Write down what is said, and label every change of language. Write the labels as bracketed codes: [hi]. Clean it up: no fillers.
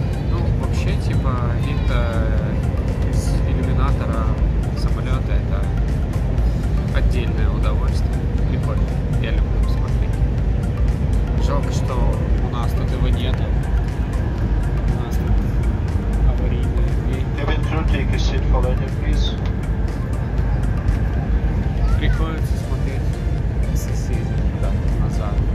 [ru] Ну, вообще, типа, вид-то из иллюминатора самолета — это отдельное удовольствие. Прикольно. Я люблю смотреть. Жалко, что у нас тут его нет. У нас тут аварийные вещи. [en] Kevin, do take a seat for landing, please. [ru] Приходится смотреть соседи туда, назад.